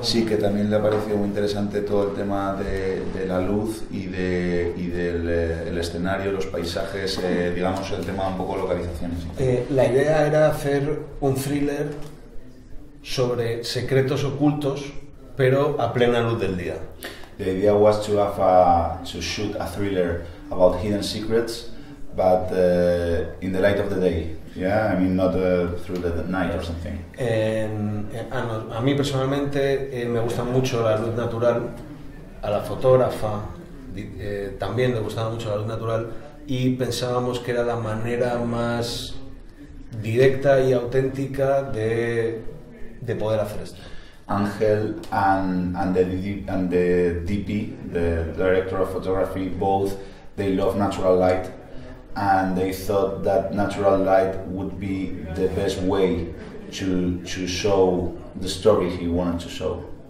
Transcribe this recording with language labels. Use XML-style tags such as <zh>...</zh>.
<es>Sí, que también le ha parecido muy interesante todo el tema de la luz y del el escenario, los paisajes, digamos, el tema un poco localizaciones. La idea era hacer un thriller sobre secretos ocultos, pero a plena luz del día.</es> <en>The idea was to have a, to shoot a thriller about hidden secrets, but in the light of the day. Yeah, I mean not through the night or something.</en> <es>A mí personalmente me gusta mucho la luz natural. A la fotógrafa también le gustaba mucho la luz natural y pensábamos que era la manera más directa y auténtica de poder hacer esto.</es> <en>Ángel and the DP, the director of photography, both they love natural light, and they thought that natural light would be the best way to show the story he wanted to show.</en>